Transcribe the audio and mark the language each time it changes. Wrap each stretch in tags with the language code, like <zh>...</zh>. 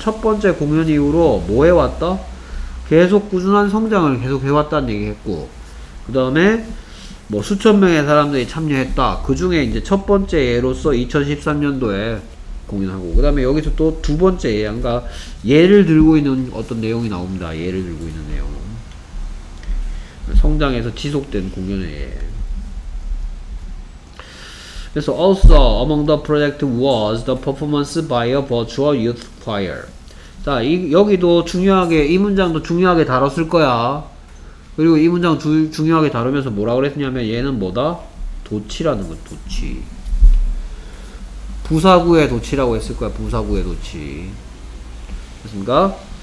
<ko>첫 번째 공연 이후로 뭐 해왔다? 계속 꾸준한 성장을 계속 해왔다는 얘기 했고, 그 다음에 뭐 수천 명의 사람들이 참여했다. 그 중에 이제 첫 번째 예로서 2013년도에 공연하고, 그 다음에 여기서 또 두 번째 예, 그러니까 예를 들고 있는 어떤 내용이 나옵니다. 예를 들고 있는 내용. 성장해서 지속된 공연의 예.</ko> <en>그래서 also among the project was the performance by a virtual youth choir.</en> <ko>자, 여기도 중요하게 이 문장도 중요하게 다뤘을 거야. 그리고 이 문장 중요하게 다루면서 뭐라 그랬냐면 얘는 뭐다? 도치라는 거. 도치. 부사구의 도치라고 했을 거야. 부사구의 도치. 됐습니까?</ko>